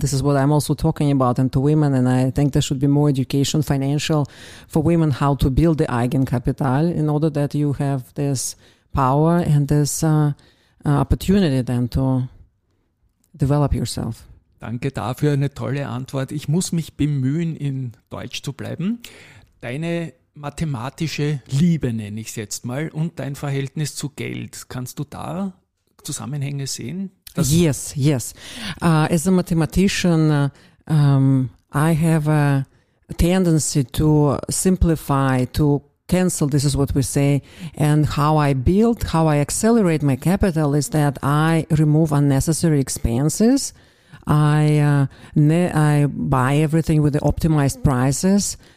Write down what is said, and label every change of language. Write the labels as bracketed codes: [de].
[en] And this is what I'm also talking about, and to women. And I think there should be more education, financial, for women, how to build the Eigenkapital in order that you have this power and this opportunity then to develop yourself. [de] Danke dafür, eine tolle Antwort. Ich muss mich bemühen, in Deutsch zu bleiben. Deine mathematische Liebe, nenne ich es jetzt mal, und dein Verhältnis zu Geld. Kannst du da Zusammenhänge sehen? [en] Yes, yes. As a mathematician, I have a tendency to simplify, to cancel, this is what we say, and how I accelerate my capital is that I remove unnecessary expenses, I buy everything with the optimized prices.